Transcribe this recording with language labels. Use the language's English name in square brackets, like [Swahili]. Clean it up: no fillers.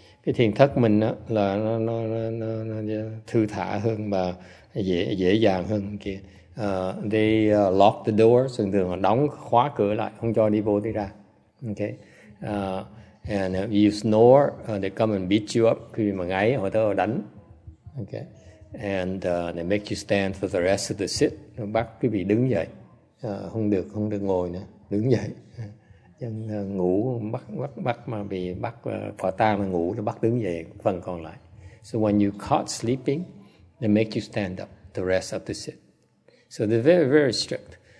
[Vietnamese] Cái thiền thất mình á là nó thư thả hơn và dễ dàng hơn kia. [English] They lock the doors, [Vietnamese] thường thường họ đóng khóa cửa lại, không cho đi vô đi ra. [English] Okay. And if you snore, they come and beat you up. [Vietnamese] Khi mà ngáy họ tới họ đánh. [English] Okay. And they make you stand for the rest of the sit. [Vietnamese] Bắt quý vị đứng dậy, không được ngồi nữa, đứng dậy. Dân ngủ bắt mà bị bắt quả tang mà ngủ nó bắt đứng dậy phần còn lại. [English] So when you caught sleeping, they make you stand up the rest of the sit. So they're very, very strict.